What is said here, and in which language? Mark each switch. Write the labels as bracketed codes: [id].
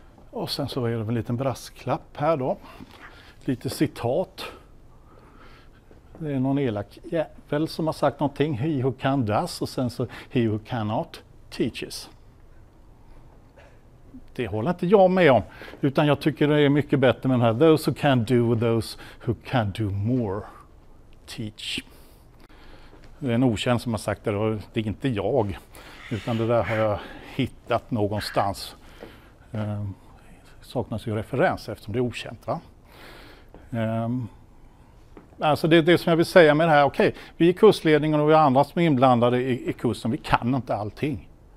[sv] Och sen så är det en liten brasklapp här då. Lite citat. Det är någon elak jävel som har sagt någonting. [en] He who can does, [sv] och sen så [en] he who cannot teaches. [sv] Det håller inte jag med om. Utan jag tycker det är mycket bättre med den här. [en] Those who can do, those who can do more teach. [sv] Det är en okänd som har sagt det. Och det är inte jag. Utan det där har jag hittat någonstans. Saknas ju referens eftersom det är okänt, va? Alltså det som jag vill säga med det här, okej, vi är kursledningen och vi har andra som är inblandade i kursen. Vi kan inte allting.